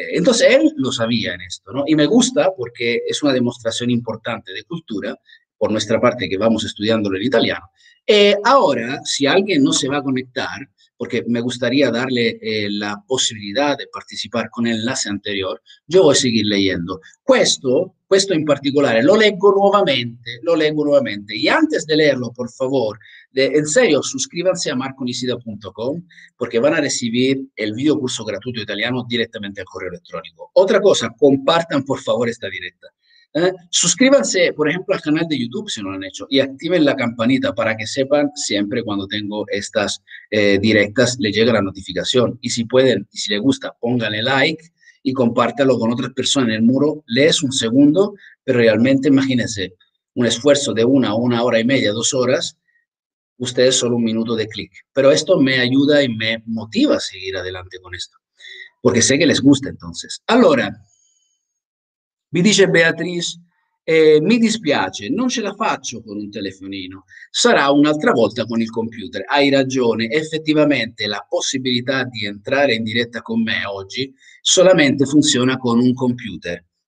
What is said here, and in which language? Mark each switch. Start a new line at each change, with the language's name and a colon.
Spanish: Entonces él lo sabía en esto, ¿no? Y me gusta porque es una demostración importante de cultura, por nuestra parte que vamos estudiándolo en italiano. Ahora, si alguien no se va a conectar, porque me gustaría darle la posibilidad de participar con el enlace anterior, yo voy a seguir leyendo.
Italian: Questo in particolare, lo leggo nuovamente, lo leggo nuovamente.
Spanish: Y antes de leerlo, por favor, en serio, suscríbanse a marconisida.com porque van a recibir el video curso gratuito italiano directamente al correo electrónico. Otra cosa, compartan por favor esta directa. Suscríbanse, por ejemplo, al canal de YouTube si no lo han hecho y activen la campanita para que sepan siempre cuando tengo estas directas, les llega la notificación. Y si pueden, y si les gusta, pónganle like y compártalo con otras personas en el muro. Lees un segundo, pero realmente imagínense un esfuerzo de una hora y media, 2 horas, ustedes solo 1 minuto de clic. Pero esto me ayuda y me motiva a seguir adelante con esto, porque sé que les gusta entonces.
Italian: Allora. Mi dice Beatrice, mi dispiace, non ce la faccio con un telefonino, sarà un'altra volta con il computer. Hai ragione, effettivamente la possibilità di entrare in diretta con me oggi solamente funziona con un computer.